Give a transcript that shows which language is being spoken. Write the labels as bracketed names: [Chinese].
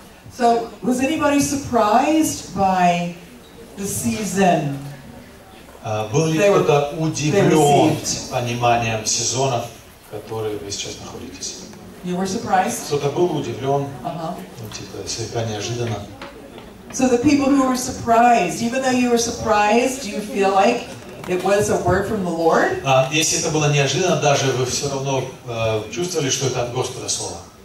[English] So, was anybody surprised by the season? [Russian] Был ли кто-то удивлен пониманием сезона, в котором вы сейчас находитесь? [English] You were surprised? [Russian] Кто-то был удивлен, ну, типа, слегка неожиданно. [English] So the people who were surprised, even though you were surprised, do you feel like it was a word from the Lord? [Russian] Если это было неожиданно, даже вы все равно чувствовали, что это от Господа слово?